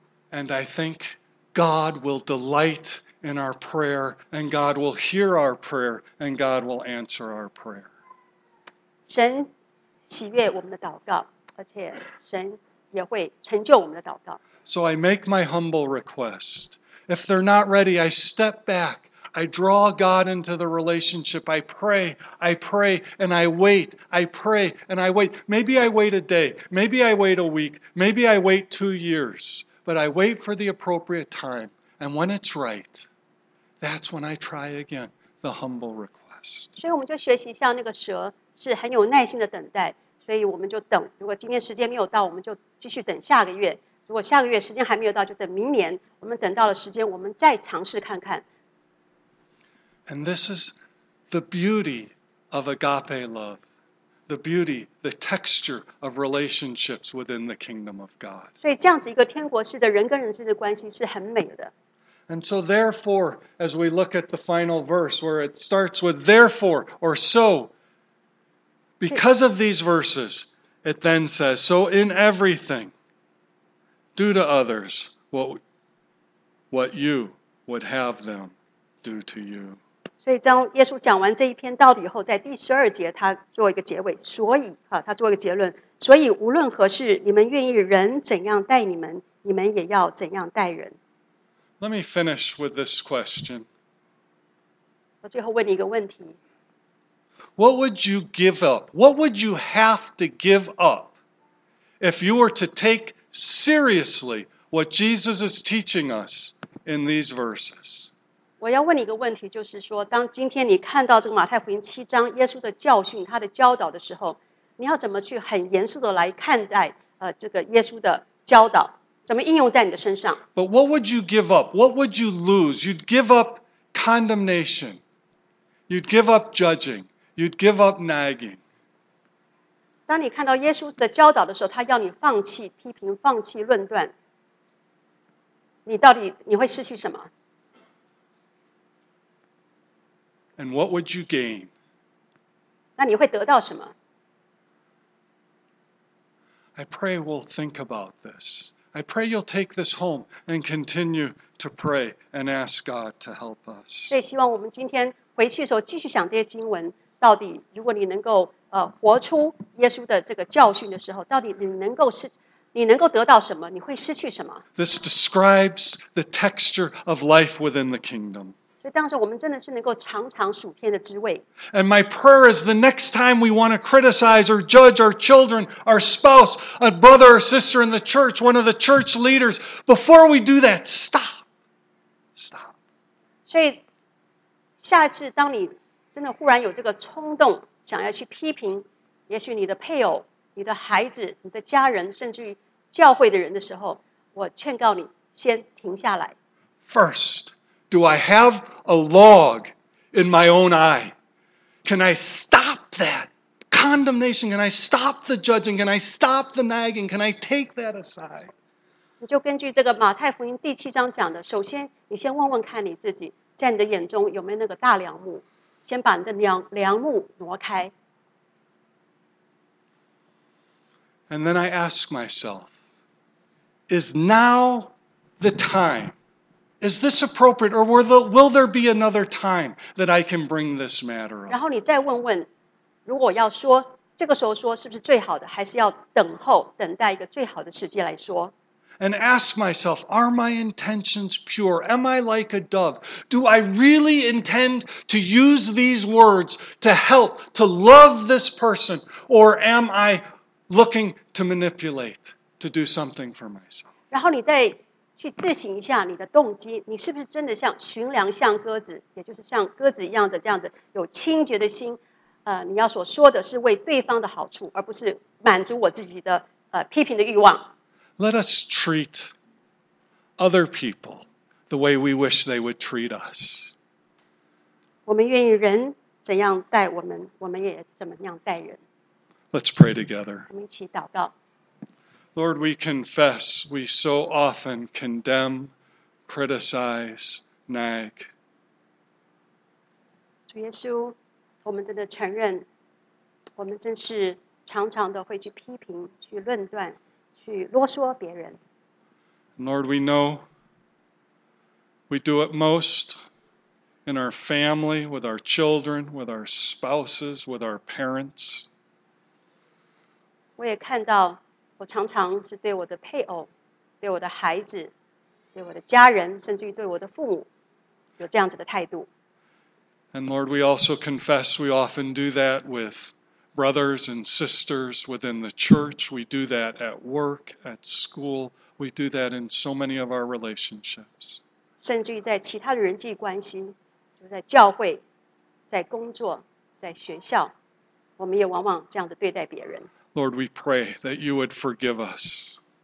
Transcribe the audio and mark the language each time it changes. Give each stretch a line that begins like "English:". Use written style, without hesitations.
English: And I think God will delight in our prayer, and God will hear our prayer, and God will answer our prayer.
Chinese: 神喜悦我们的祷告，而且神也会成就我们的祷告。
English: So I make my humble request. If they're not ready, I step back. I draw God into the relationship. I pray, and I wait. I pray, and I wait. Maybe I wait a day. Maybe I wait a week. Maybe I wait 2 years. But I wait for the appropriate time. And when it's right, that's when I try again the humble request.
Chinese: 所以我们就学习像那个蛇是很有耐心的等待，所以我们就等。如果今天时间没有到，我们就继续等下个月。如果下个月时间还没有到，就等明年。我们等到了时间，我们再尝试看看。
English: And this is the beauty of agape love, the beauty, the texture of relationships within the kingdom of God.
Chinese: 所以这样子一个天国式的人跟人之间的关系是很美的。
English: And so therefore, as we look at the final verse, where it starts with therefore, or so, because of these verses, it then says, so in everything, do to others what you would have them do to you.
Chinese: 所以当耶稣讲完这一篇道理以后，在第十二节他做一个结尾，所以他做一个结论，所以无论何事，你们愿意人怎样待你们，你们也要怎样待人。
English: Let me finish with this question.
Chinese: 我最后问你一个问题。
English: What would you give up? What would you have to give up if you were to take seriously what Jesus is teaching us in these verses?
Chinese: 我要问你一个问题，就是说，当今天你看到这个马太福音七章耶稣的教训、他的教导的时候，你要怎么去很严肃的来看待这个耶稣的教导，怎么应用在你的身上。
English: But what would you give up? What would you lose? You'd give up condemnation. You'd give up judging. You'd give up nagging.
Chinese: 当你看到耶稣的教导的时候，他要你放弃批评，放弃论断，你到底你会失去什么？
English: And what would you gain?
Chinese: 那你会得到什么？
English: I pray we'll think about this. I pray you'll take this home and continue to pray and ask God to help us.
Chinese: 对，希望我们今天回去的时候继续想这些经文，到底如果你能够活出耶稣的这个教训的时候，到底你能够得到什么？你会失去什么？
English: This describes the texture of life within the kingdom.
Chinese: 当时我们真的是能够尝尝属天的滋味。
English: And my prayer is the next time we want to criticize or judge our children, our spouse, a brother or sister in the church, one of the church leaders, before we do that, stop. Stop.
Chinese: 所以下次当你真的忽然有这个冲动想要去批评也许你的配偶、你的孩子、你的家人甚至于教会的人的时候，我劝告你先停下来。
English: First,Do I have a log in my own eye? Can I stop that condemnation? Can I stop the judging? Can I stop the nagging? Can I take that aside?
Chinese: 你就根据这个马太福音第七章讲的，首先你先问问看你自己，在你的眼中有没有那个大梁木，先把你的梁木挪开。
English: And then I ask myself, is now the time? Is this appropriate, or will there be another time that I can bring this matter up?
Chinese: 然后你再问问，如果要说这个时候说，是不是最好的，还是要等候，等待一个最好的时机来说？
English: And ask myself, are my intentions pure? Am I like a dove? Do I really intend to use these words to help, to love this person, or am I looking to manipulate, to do something for myself?
Chinese: 然后你再去自省一下你的动机，你是不是真的像寻粮像鸽子，也就是像鸽子一样的这样子有清洁的心，你要所说的是为对方的好处，而不是满足我自己的批评的欲望。
English: Let us treat other people the way we wish they would treat us.
Chinese: 我们愿意人怎样待我们，我们也怎么样待人。
English: Let's pray together.
Chinese: 我们一起祷告。
English: Lord, we confess we so often condemn, criticize, nag.
Chinese: 主耶稣，我们真的承认，我们真是常常的会去批评、去论断、去啰嗦别人。
English: Lord, we know we do it most in our family, with our children, with our spouses, with our parents.
Chinese: 我也看到我常常是对我的配偶、对我的孩子、对我的家人，甚至于对我的父母，有这样子的态度。
English: And Lord, we also confess we often do that with brothers and sisters within the church. We do that at work, at school. We do that in so many of our relationships.
Chinese: 甚至于在其他的人际关系，就在教会、在工作、在学校，我们也往往这样子对待别人。
English: Lord, we pray that you would forgive us.